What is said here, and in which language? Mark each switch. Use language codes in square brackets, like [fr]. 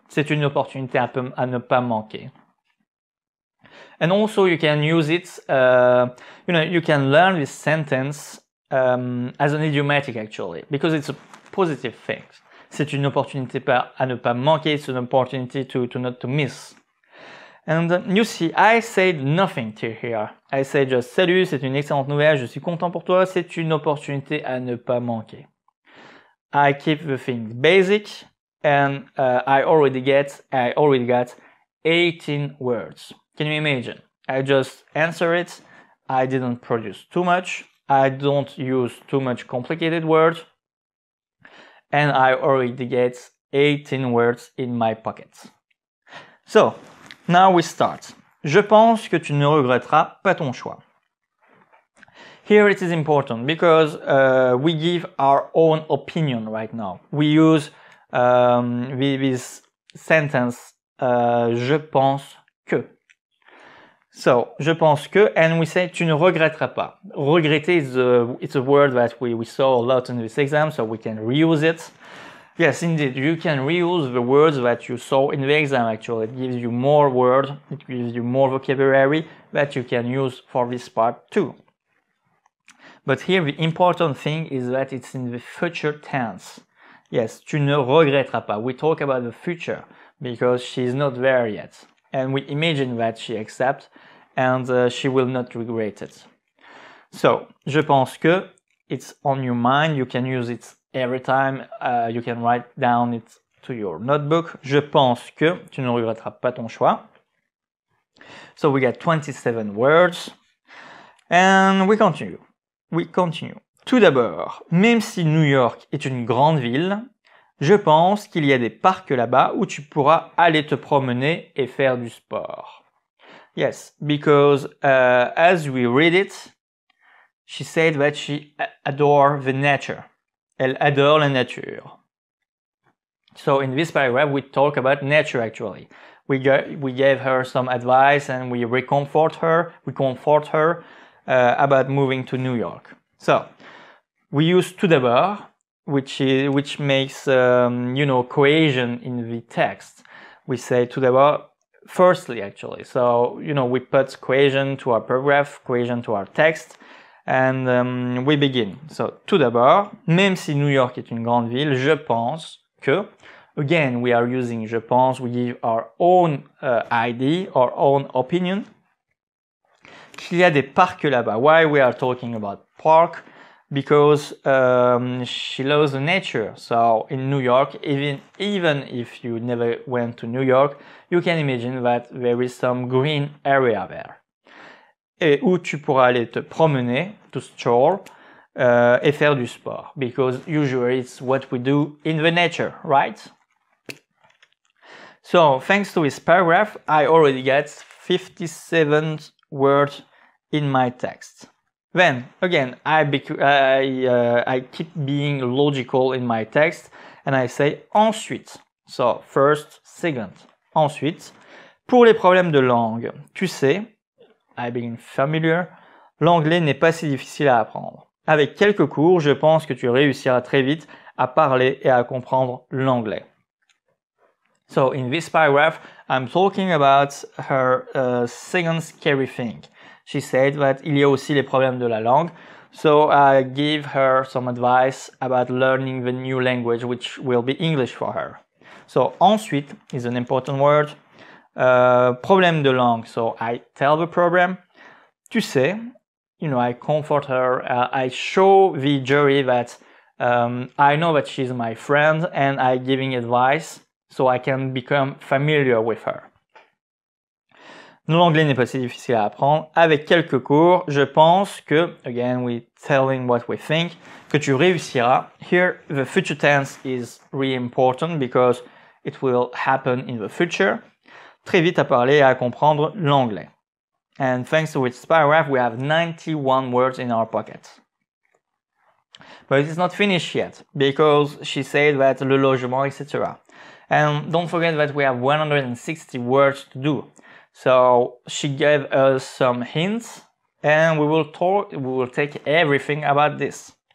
[fr] C'est une opportunité à ne pas manquer. [en] And also, you can use it, you can learn this sentence as an idiomatic, actually, because it's a positive thing. [fr] C'est une opportunité à ne pas manquer, [en] it's an opportunity to not to miss. And you see, I said nothing to her. I said just, [fr] salut, c'est une excellente nouvelle, je suis content pour toi, c'est une opportunité à ne pas manquer. [en] I keep the thing basic, and I already got 18 words. Can you imagine? I just answer it, I didn't produce too much, I don't use too much complicated words, and I already get 18 words in my pocket. So, now we start. [fr] Je pense que tu ne regretteras pas ton choix. [en] Here it is important because we give our own opinion right now. We use this sentence, [fr] je pense que. So, je pense que, [en] and we say, [fr] tu ne regretteras pas. [en] Regretter is a word that we saw a lot in this exam, so we can reuse it. Yes, indeed, you can reuse the words that you saw in the exam, actually. It gives you more words, it gives you more vocabulary that you can use for this part too. But here, the important thing is that it's in the future tense. Yes, [fr] tu ne regretteras pas. [en] We talk about the future because she's not there yet. And we imagine that she accepts, and she will not regret it. So, [fr] je pense que, [en] it's on your mind, you can use it every time, you can write down it to your notebook. [fr] Je pense que, tu ne regretteras pas ton choix. [en] So we got 27 words, and we continue. [fr] Tout d'abord, même si New York est une grande ville, je pense qu'il y a des parcs là-bas où tu pourras aller te promener et faire du sport. [en] Yes, because as we read it, she said that she adore the nature. [fr] Elle adore la nature. [en] So in this paragraph, we talk about nature actually. We gave her some advice and we comfort her about moving to New York. So we use tout d'abord, which makes cohesion in the text. We say tout d'abord, firstly actually. So we put cohesion to our paragraph, cohesion to our text, and we begin. [fr] So tout d'abord, même si New York est une grande ville, je pense que. [en] Again, we are using je pense. We give our own idea, our own opinion. [fr] Qu'il y a des parcs là-bas. [en] Why we are talking about park? Because she loves the nature. So in New York, even if you never went to New York, you can imagine that there is some green area there. [fr] Et où tu pourras aller te promener, [en] to stroll, [fr] et faire du sport. [en] Because usually it's what we do in the nature, right? So thanks to this paragraph, I already get 57 words in my text. Then, again, I keep being logical in my text, and I say ensuite. So, first, second. [fr] Ensuite, pour les problèmes de langue, tu sais, [en] I begin familiar, [fr] l'anglais n'est pas si difficile à apprendre. Avec quelques cours, je pense que tu réussiras très vite à parler et à comprendre l'anglais. [en] So, in this paragraph, I'm talking about her second scary thing. She said that [fr] il y a aussi les problèmes de la langue. [en] So I give her some advice about learning the new language, which will be English for her. So ensuite is an important word. Problème de langue. So I tell the problem. Tu sais, I comfort her. I show the jury that I know that she's my friend and I'm giving advice so I can become familiar with her. [fr] L'anglais n'est pas si difficile à apprendre. Avec quelques cours, je pense que, [en] again, we're telling what we think, [fr] que tu réussiras. [en] Here, the future tense is really important because it will happen in the future. [fr] Très vite à parler et à comprendre l'anglais. [en] And thanks to this paragraph, we have 91 words in our pocket. but it's not finished yet because she said that le logement, etc. And don't forget that we have 160 words to do. So she gave us some hints and we will take everything about this.